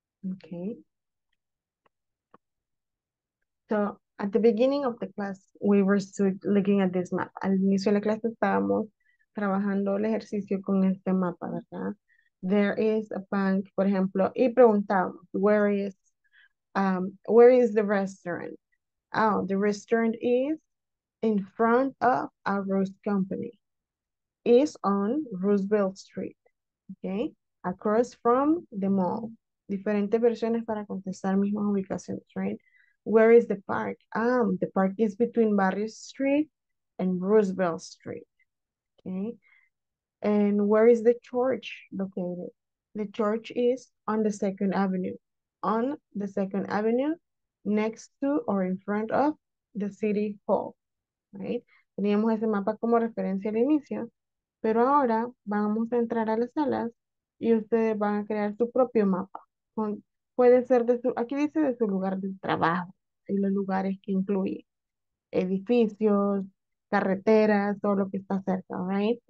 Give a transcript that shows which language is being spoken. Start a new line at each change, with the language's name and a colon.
English: Okay. So at the beginning of the class, we were still looking at this map.
Spanish: Al inicio de la clase estábamos trabajando el ejercicio con este mapa, ¿verdad?
English: There is a bank, por ejemplo, y preguntamos, where is the restaurant? Oh, the restaurant is in front of a Roost company. Is on Roosevelt Street, okay? Across from the mall.
Spanish: Diferentes versiones para contestar mismas ubicaciones, right? Where is the park?
English: The park is between Barrios Street and Roosevelt Street, okay? And where is the church located? The church is on the Second Avenue. On the Second Avenue, next to or in front of the City Hall, right?
Spanish: Teníamos ese mapa como referencia al inicio, pero ahora vamos a entrar a las salas y ustedes van a crear su propio mapa. Puede ser de su, aquí dice de su lugar de trabajo y los lugares que incluye edificios, carreteras, todo lo que está cerca, right?